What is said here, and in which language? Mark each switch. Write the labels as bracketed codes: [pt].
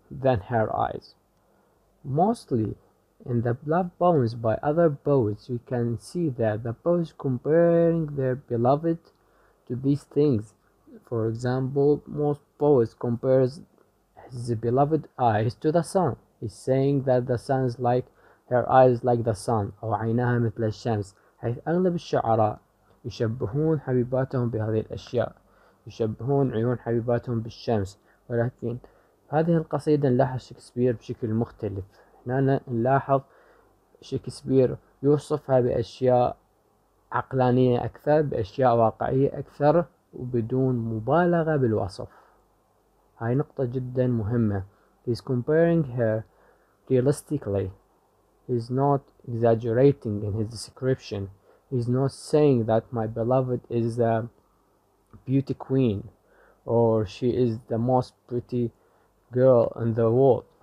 [en] than her eyes. Mostly in the blood bones by other poets, we can see that the poets comparing their beloved to these things. For example, most poets compares his beloved eyes to the sun. He's saying that the sun is like her eyes like the sun, [ar] أو عيناها مثل الشمس. حيث أغلب الشعراء يشبهون حبيباتهم بهذه الأشياء، يشبهون عيون حبيباتهم بالشمس. ولكن هذه القصيدة نلاحظ شكسبير بشكل مختلف. هنا نلاحظ شكسبير يوصفها بأشياء عقلانية أكثر، بأشياء واقعية أكثر، وبدون مبالغة بالوصف. هاي نقطة جدا مهمة. [en] He's comparing her realistically. He's not exaggerating in his description. He's not saying that my beloved is a beauty queen or she is the most pretty girl in the world.